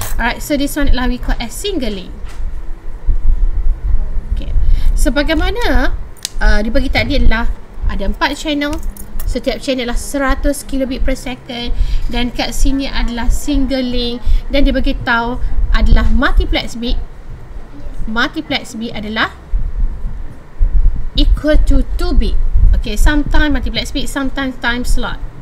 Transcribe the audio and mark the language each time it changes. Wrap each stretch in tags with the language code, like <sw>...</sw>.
<en>Alright, so this one lah we call as single link.</en> <ms>Okay, sebagaimana dibagi tadi adalah ada 4 channel, setiap channel adalah 100 kilobit per second dan kat sini adalah single link dan dia beritahu adalah multiplex bit. Multiplex bit adalah equal to 2 bit.</ms> <en>Okay, sometimes multiplex bit, sometimes time slot.</en>